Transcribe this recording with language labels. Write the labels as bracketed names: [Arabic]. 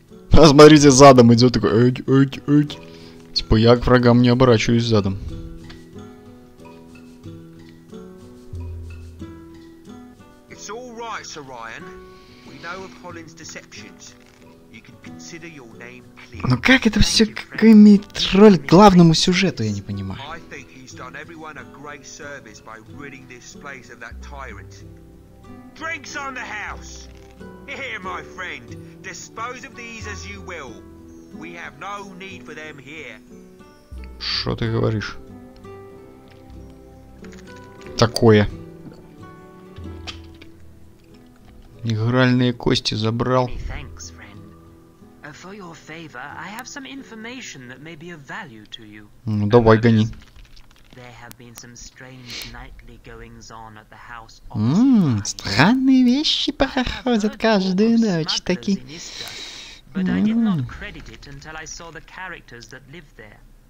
[Russian] Посмотрите, задом идёт такой. Эть. Типа, я к врагам не оборачиваюсь задом. [English] It's all right, Sir Ryan. We know of Holland's deceptions. You can consider your name clear. [Russian] Но как это все имеет роль к главному сюжету, я не понимаю. [English] I think he's done everyone a great service by ridding this place of that tyrant. Drinks on the house! Here, my friend, dispose of these as you will. We have no need for them here. [Russian] Что ты говоришь? Такое. Игральные кости забрал. [English] Thanks, friend. For your favor, I have some information that may be of value to you. [Russian] Ну, давай, гони. [English] There have been some strange nightly goings on at the house. [Russian] Странные вещи проходят каждую ночь, такие. [English] But I did not credit it until I saw the characters that live there.